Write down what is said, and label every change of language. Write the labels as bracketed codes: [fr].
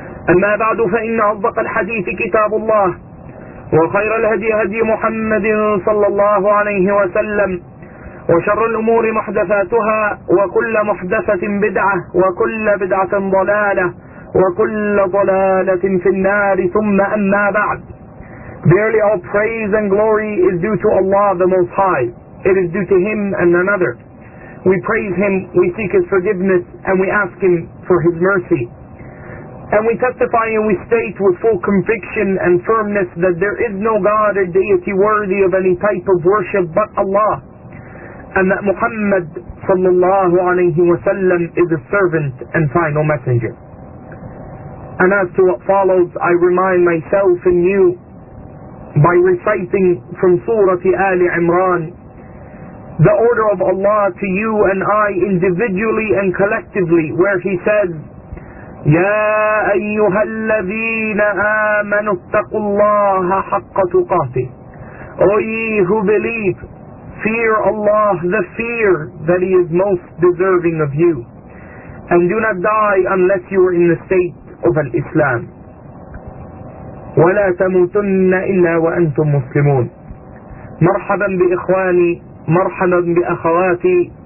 [ar] أما بعد، فإن أصدق الحديث كتاب الله، وخير الهدي هدي محمد صلى الله عليه وسلم، وشر الأمور محدثاتها، وكل محدثة بدعة، وكل بدعة ضلالة، وكل ضلالة في النار. ثم أما بعد، [en] verily all praise and glory is due to Allah the Most High. It is due to Him and none other. We praise Him, we seek His forgiveness, and we ask Him for His mercy. And we testify and we state with full conviction and firmness that there is no God or deity worthy of any type of worship but Allah, and that Muhammad sallallahu alayhi wa sallam is a servant and final messenger. And as to what follows, I remind myself and you by reciting from Surah Ali Imran the order of Allah to you and I individually and collectively, where He says, [ar] يا أيها الذين آمنوا اتقوا الله حق تقاته. [en] O ye who believe, fear Allah the fear that He is most deserving of you, and do not die unless you are in the state of Islam. [ar] ولا تموتن إلا وأنتم مسلمون. مرحبا بإخواني، مرحبا بأخواتي.